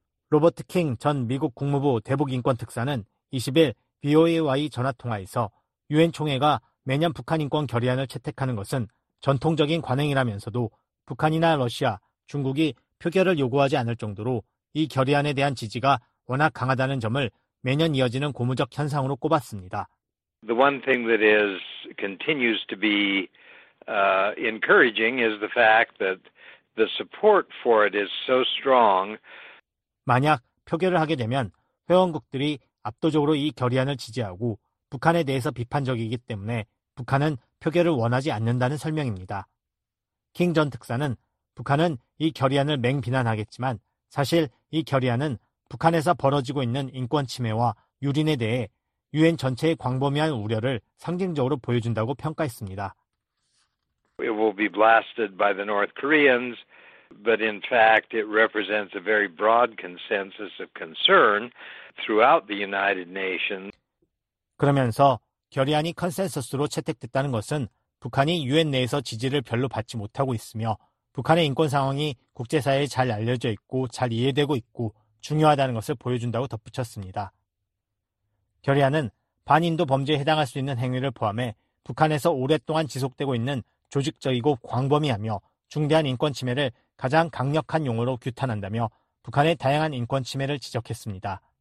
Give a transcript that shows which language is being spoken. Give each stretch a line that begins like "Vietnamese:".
Korean: 로버트 킹 전 미국 국무부 대북인권특사는 20일 BOA와의 전화통화에서 유엔 총회가 매년 북한 인권 결의안을 채택하는 것은 전통적인 관행이라면서도 북한이나 러시아, 중국이 표결을 요구하지 않을 정도로 이 결의안에 대한 지지가 워낙 강하다는 점을 매년 이어지는 고무적 현상으로 꼽았습니다.
English: The one thing that is continues to be encouraging is the fact that the support for it is so strong.
Korean: 만약 표결을 하게 되면 회원국들이 압도적으로 이 결의안을 지지하고 북한에 대해서 비판적이기 때문에 북한은 표결을 원하지 않는다는 설명입니다. 킹 전 특사는 북한은 이 결의안을 맹비난하겠지만 사실 이 결의안은 북한에서 벌어지고 있는 인권 침해와 유린에 대해 유엔 전체의 광범위한 우려를 상징적으로 보여준다고 평가했습니다.
English: It will be blasted by the North Koreans, but in fact it represents a very broad consensus of concern throughout the United Nations.
Korean: 그러면서 결의안이 컨센서스로 채택됐다는 것은 북한이 유엔 내에서 지지를 별로 받지 못하고 있으며 북한의 인권 상황이 국제사회에 잘 알려져 있고 잘 이해되고 있고 중요하다는 것을 보여준다고 덧붙였습니다. 결의안은 반인도 범죄에 해당할 수 있는 행위를 포함해 북한에서 오랫동안 지속되고 있는 조직적이고 광범위하며 중대한 인권 침해를 가장 강력한 용어로 규탄한다며 북한의 다양한 인권 침해를 지적했습니다.